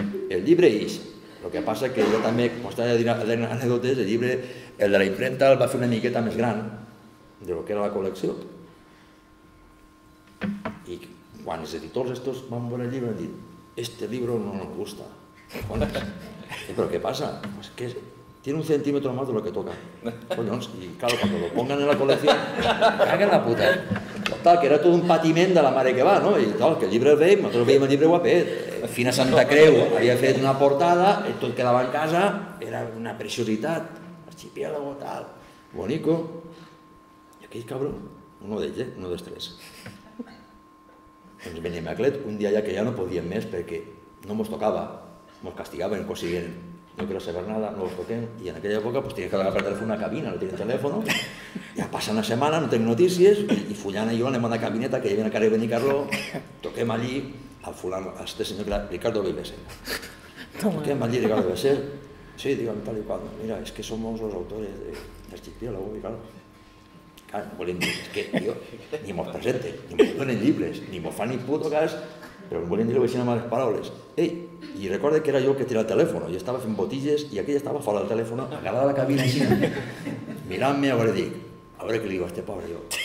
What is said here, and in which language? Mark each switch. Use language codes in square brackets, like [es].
[ca] El llibre és, el que passa que jo també, com estava dient anècdotes, el llibre, el de la impremta el va fer una miqueta més gran de lo que era la col·lecció. I quan els editors estos van veure el llibre, han dit, [es] este llibre no nos gusta. [ca] Sí, però què passa? [es] Pues que tiene un centímetro más de lo que toca. Collons, i claro, cuando lo pongan en la colección, caguen la puta. [ca] Total, que era tot un patiment de la mare que va, no? I tal, que el llibre el veiem, nosaltres veiem el llibre guapet. Fins a Santa Creu havia fet una portada, i tot quedava en casa, era una preciositat. Archipiélago, tal, bonico. I aquell cabró, uno d'ells, uno dels tres. Doncs Benimaclet, un dia ja que ja no podíem més perquè no mos tocava, mos castigaven, com si bien. [es] No quiero saber nada, no lo toquen. Y en aquella época pues tenía que agarrar el teléfono a una cabina, no tenía teléfono. Ya pasa una semana, no tengo noticias, y Fulana y yo [ca] anem a una cabineta [es] que viene a Carrer Benicarló, [ca] toquem allí al fulano, [es] a este señor que era Ricardo Vivese. [ca] Toquem allí [es] Ricardo Vivese. Sí, digan tal y cual. Mira, es que somos los autores de Archipiélago, y claro. Claro, no vuelven decir, es que, tío, ni mos presente, ni mos ponen libres, ni mos fan ni puto cas, [ca] però em volien dir-ho així amb les paraules. Ei, i recorde que era jo que tirava el telèfon, jo estava fent botilles i aquella estava fora del telèfon, agarrada a la cabina així, mirant-me, a veure, dic, a veure què li diu a este pobre jo.